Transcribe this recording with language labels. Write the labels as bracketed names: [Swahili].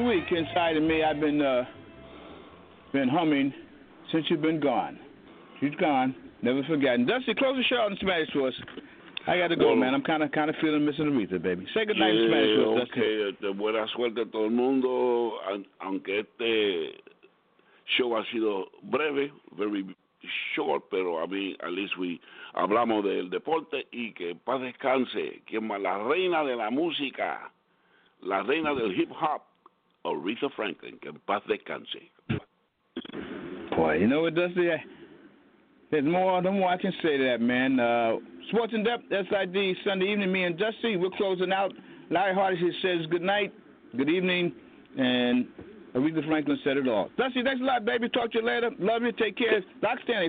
[English] inside of me, I've been humming since you've been gone. You've gone, never forgotten. Dusty, close the show on Smash for us. I got to go, well, man. I'm kind of feeling Missing Aretha, baby. Say goodnight to Smash for us, okay, [Spanish] Okay, de buena suerte a todo el mundo, aunque este show ha sido breve, [English] very short, [Spanish] pero a mí, [English] at least we [Spanish] hablamos del deporte y que paz descanse, que más la reina de la música, la reina del hip hop, Aretha Franklin, que paz descanse. [English] Boy, you know what, Dusty? There's more I can say to that, man. Sports in Depth, SID, Sunday evening, me and Dusty, we're closing out. Larry Hardy says good night, good evening, and Aretha Franklin said it all. Dusty, thanks a lot, baby. Talk to you later. Love you. Take care. Doc Stanley,